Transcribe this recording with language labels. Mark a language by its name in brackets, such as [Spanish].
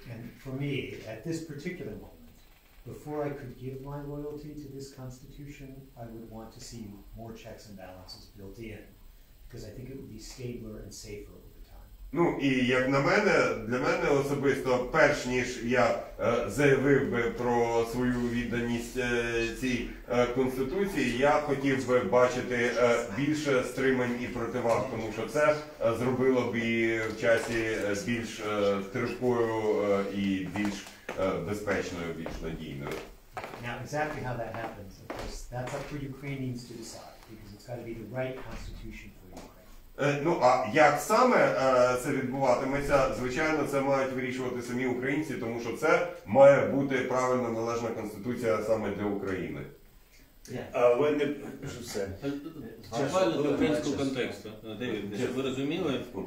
[English] And for me, at this particular moment, before I could give my loyalty to this constitution, I would want to see more checks and balances built in, because I think it would be stabler and safer over time. [Ukrainian] Ну, і як на мене, для мене особисто, перш ніж я заявив би про свою відданість цій конституції, я хотів би бачити більше стримань і противаг, тому що це зробило б її в часі більш тривкою і більш безпечною, більш надійною. [English] Now, exactly how that happens, of course, that's up for Ukrainians to decide, because it's got to be the right constitution for Ukraine. [Ukrainian] Ну, а як саме це відбуватиметься, звичайно, це мають вирішувати самі українці, тому що це має бути правильна, належна конституція саме для України. Буквально до українського контексту, Девід, щоб ви розуміли.